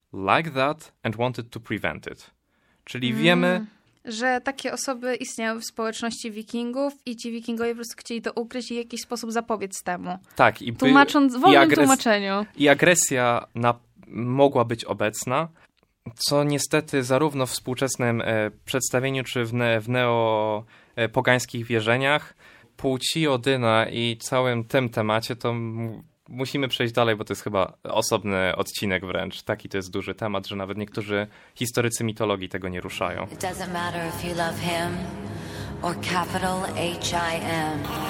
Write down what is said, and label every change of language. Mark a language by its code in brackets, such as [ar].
[en] like that and wanted to prevent it. [pl] Czyli wiemy... Że takie osoby istniały w społeczności wikingów i ci wikingowie po prostu chcieli to ukryć i w jakiś sposób zapobiec temu. Tak. Tłumacząc, w wolnym tłumaczeniu. I agresja mogła być obecna, co niestety zarówno w współczesnym przedstawieniu, czy w neopogańskich wierzeniach płci Odyna i całym tym temacie, to musimy przejść dalej, bo to jest chyba osobny odcinek wręcz. Taki to jest duży temat, że nawet niektórzy historycy mitologii tego nie ruszają. [en] It doesn't matter if you love him or capital H-I-M.